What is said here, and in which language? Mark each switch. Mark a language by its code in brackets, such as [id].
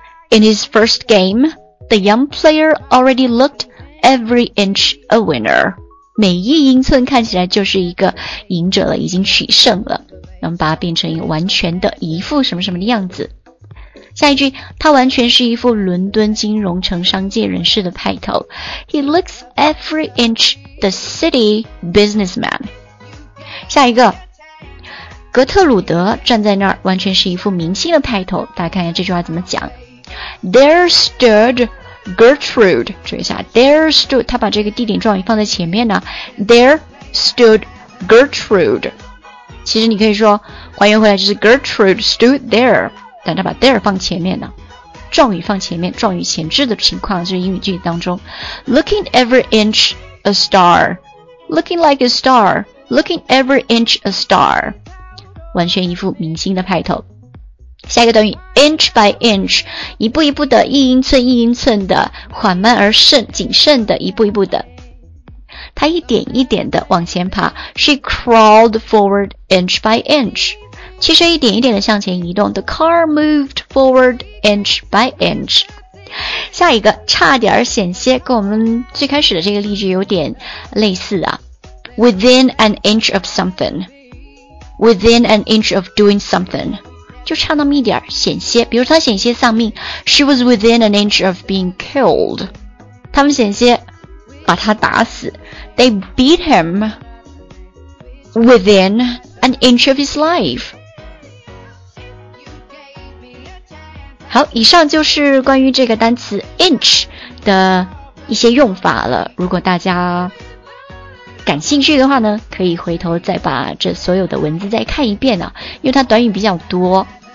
[en] In his first game,The young player already looked every inch a winner. [zh] 每一英寸看起来就是一个赢者了，已经取胜了。我们把它变成一个完全的，一副什么什么的样子。下一句，他完全是一副伦敦金融城商界人士的派头。 [en] He looks every inch the city businessman. [zh] 下一个，格特鲁德站在那儿，完全是一副明星的派头。大家看一下这句话怎么讲。 [en] There stood Gertrude, [zh] 注意一下 there stood, 他把这个地点状语放在前面呢。 [en] There stood Gertrude, [zh] 其实你可以说还原回来就是 [en] Gertrude stood there, [zh] 但他把 there 放前面呢，状语放前面，状语前置的情况，就是英语句子当中。 [en] Looking every inch a star, looking like a star, looking every inch a star, [zh] 完全一副明星的派头。下一个等于 inch by inch, 一步一步的，一英寸一英寸的，缓慢而慎，谨慎的，一步一步的，他一点一点的往前爬。 [en] She crawled forward inch by inch, [zh] 汽车一点一点的向前移动。 [en] The car moved forward inch by inch。 [zh] 下一个，差点险些，跟我们最开始的这个例句有点类似啊。 [en] Within an inch of something, within an inch of doing something, [zh] 就差那么一点险些，比如他险些丧命。 [en] She was within an inch of being killed, [zh] 他们险些把他打死。 [en] They beat him within an inch of his life, [zh] 好，以上就是关于这个单词 inch 的一些用法了。如果大家感兴趣的话呢，可以回头再把这所有的文字再看一遍啊，因为它短语比较多。